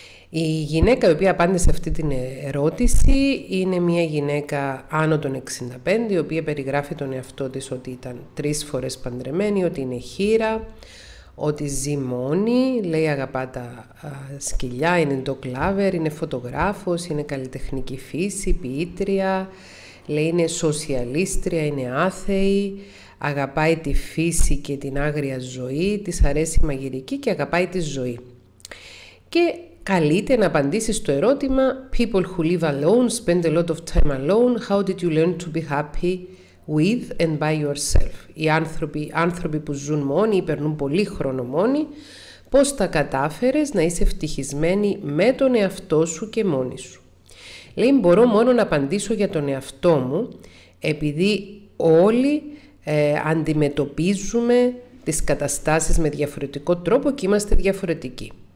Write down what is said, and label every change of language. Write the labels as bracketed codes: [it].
[el] Η γυναίκα η οποία απάντησε αυτή την ερώτηση είναι μια γυναίκα άνω των 65, η οποία περιγράφει τον εαυτό της ότι ήταν 3 φορές παντρεμένη, ότι είναι χείρα, ότι ζει μόνη, λέει αγαπά τα σκυλιά, είναι dog lover, είναι φωτογράφος, είναι καλλιτεχνική φύση, ποιήτρια, λέει είναι σοσιαλίστρια, είναι άθεη, αγαπάει τη φύση και την άγρια ζωή, της αρέσει η μαγειρική και αγαπάει τη ζωή. Και καλείται να απαντήσεις το ερώτημα [en] «People who live alone, spend a lot of time alone, how did you learn to be happy with and by yourself?» [el] Οι άνθρωποι που ζουν μόνοι ή περνούν πολύ χρόνο μόνοι, πώς τα κατάφερες να είσαι ευτυχισμένη με τον εαυτό σου και μόνη σου? Λέει, μπορώ μόνο να απαντήσω για τον εαυτό μου, επειδή όλοι αντιμετωπίζουμε τις καταστάσεις με διαφορετικό τρόπο και είμαστε διαφορετικοί.